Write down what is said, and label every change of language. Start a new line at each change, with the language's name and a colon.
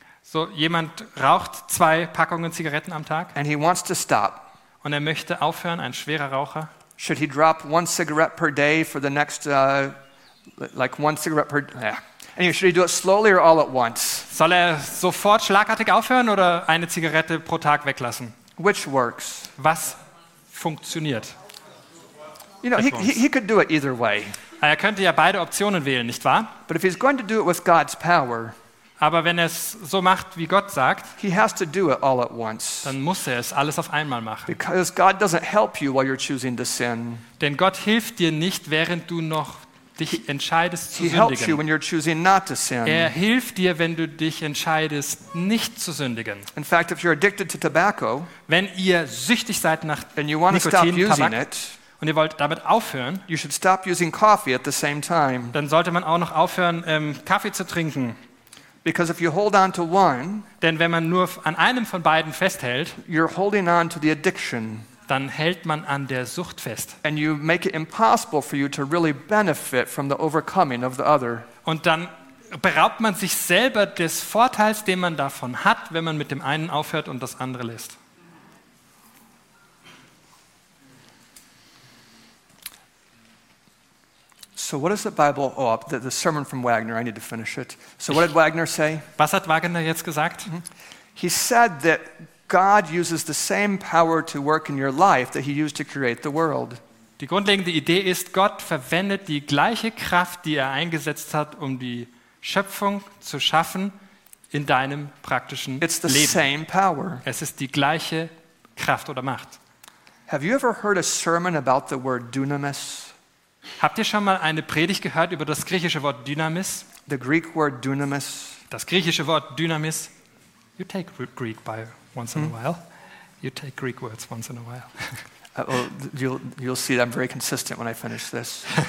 German: So, jemand raucht 2 Packungen Zigaretten am Tag.
English: And he wants to stop.
German: Und er möchte aufhören, ein schwerer Raucher.
English: Should he drop 1 cigarette per day for the next, like 1 cigarette per day? Anyway, should he do it slowly or all at once?
German: Soll er sofort schlagartig aufhören oder eine Zigarette pro Tag weglassen?
English: Which works?
German: Was funktioniert?
English: You know, he could do it either way.
German: Er könnte ja beide Optionen wählen, nicht wahr?
English: But if he's going to do it with God's power,
German: aber wenn er es so macht, wie Gott sagt,
English: he has to do it all at once.
German: Dann muss er es alles auf einmal machen.
English: Because God doesn't help you while you're choosing to sin.
German: Denn Gott hilft dir nicht, während du noch dich entscheidest zu sündigen.
English: He helps you when you're choosing not to sin.
German: Er hilft dir, wenn du dich entscheidest, nicht zu sündigen.
English: In fact, if you're addicted to tobacco,
German: wenn ihr süchtig seid nach Nikotin, und ihr wollt damit aufhören,
English: you should stop using coffee at the same time.
German: Dann sollte man auch noch aufhören, Kaffee zu trinken.
English: Because if you hold on to one,
German: denn wenn man nur an einem von beiden festhält,
English: you're holding on to the addiction.
German: Dann hält man an der Sucht fest.
English: And you make it impossible for you to really benefit from the overcoming of the other.
German: Und dann beraubt man sich selber des Vorteils, den man davon hat, wenn man mit dem einen aufhört und das andere lässt.
English: So what is the Bible? Oh, the sermon from Wagner. I need to finish it. So what did Wagner say?
German: Was hat Wagner jetzt gesagt?
English: He said that God uses the same power to work in your life that he used to create the world.
German: Die grundlegende Idee ist, Gott verwendet die gleiche Kraft, die er eingesetzt hat, um die Schöpfung zu schaffen, in deinem praktischen Leben.
English: It's the same power.
German: Es ist die gleiche Kraft oder Macht.
English: Have you ever heard a sermon about the word dynamis?
German: Habt ihr schon mal eine Predigt gehört über das griechische Wort Dynamis?
English: The Greek word Dynamis.
German: Das griechische Wort Dynamis.
English: You take Greek by once in a while. You take Greek words once in a while. You'll see that I'm very consistent when I finish this.